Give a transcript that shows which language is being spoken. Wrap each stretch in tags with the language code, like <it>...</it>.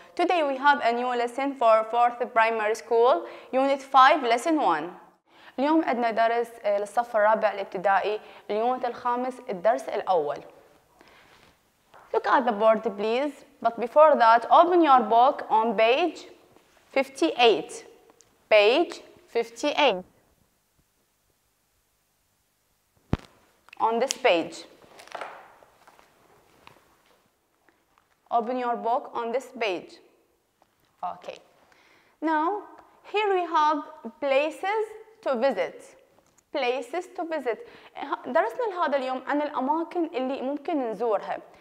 <en>Today we have a new lesson for 4th primary school, Unit 5, Lesson 1.</en> <ar>اليوم عندنا درس للصف الرابع الابتدائي، اليونت الخامس الدرس الأول.</ar> <en>Look at the board, please. But before that, open your book on page 58. Page 58. On this page. Open your book on this page. Okay. Now, here we have places to visit. Places to visit.</en> <ar>درسنا لهذا اليوم عن الأماكن اللي ممكن نزورها.</ar>